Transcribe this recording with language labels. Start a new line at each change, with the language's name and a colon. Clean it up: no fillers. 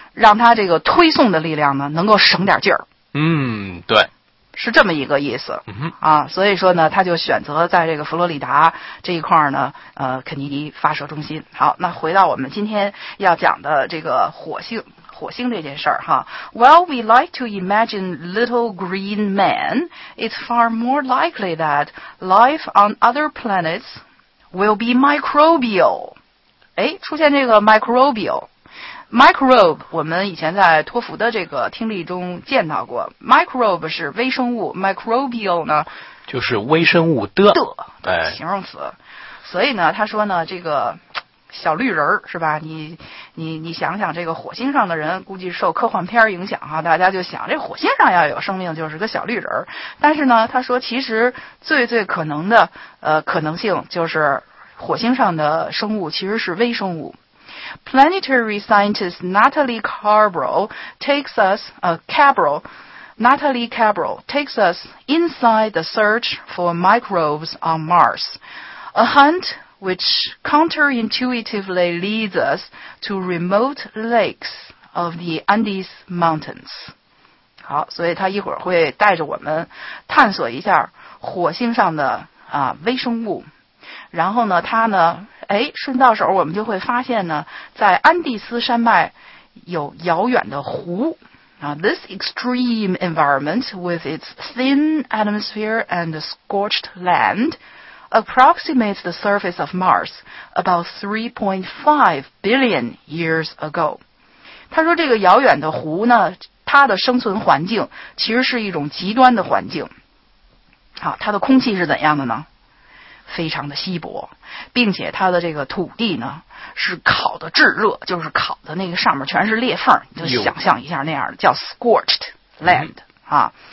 Chinese: 让它这个推送的力量呢能够省点劲儿。嗯，对。是这么一个意思。嗯啊，所以说呢他就选择在这个佛罗里达这一块呢肯尼迪发射中心。好，那回到我们今天要讲的这个火星这件事儿哈。
English: Well, we like to imagine little green men. It's far more likely that life on other planets will be microbial.
Chinese: 诶，出现这个 microbial。Microbe 我们以前在托福的这个听力中见到过， Microbe 是微生物， Microbial 呢就是微生物的的形容词。所以呢他说呢这个小绿人是吧，你想想这个火星上的人，估计受科幻片影响哈，大家就想这火星上要有生命就是个小绿人。但是呢他说其实最最可能的可能性就是火星上的生物其实是微生物。
English: Planetary scientist Natalie Cabral takes us, Natalie Cabral takes us inside the search for microbes on Mars, a hunt which counterintuitively leads us to remote lakes of the Andes Mountains.
Chinese: 好，所以他一会儿会带着我们探索一下火星上的微生物。然后呢他呢诶顺到手我们就会发现呢在安第斯山脉有遥远的湖。
English: This extreme environment with its thin atmosphere and scorched land approximates the surface of Mars about 3.5 billion years ago.
Chinese: 他说这个遥远的湖呢它的生存环境其实是一种极端的环境。好，它的空气是怎样的呢？非常的稀薄，并且它的这个土地呢是烤的炙热，就是烤的那个上面全是裂缝，你就想象一下那样的，叫 scorched land，啊。